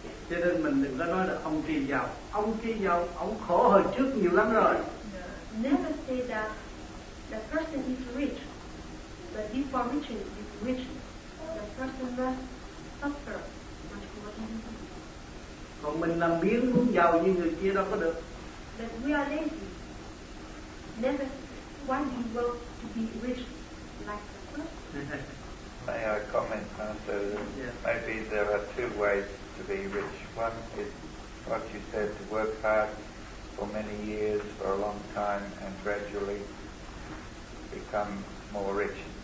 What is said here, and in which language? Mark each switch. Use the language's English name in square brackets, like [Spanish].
[Vietnamese] Cho nên mình đừng có nói là ông kia giàu. Ông kia giàu, ông khổ hơn trước nhiều lắm rồi. [English] Never say that the person is rich, but before reaching is rich, the person must suffer much more than you. [Vietnamese] Còn mình làm biếng muốn giàu như người kia đâu có được. [English] But we are lazy. Never want you will to be rich like the person. May I comment, Pastor? Yeah. Maybe there are two ways to be rich. One is what you said, to work hard for many years, for a long time, and gradually become more rich.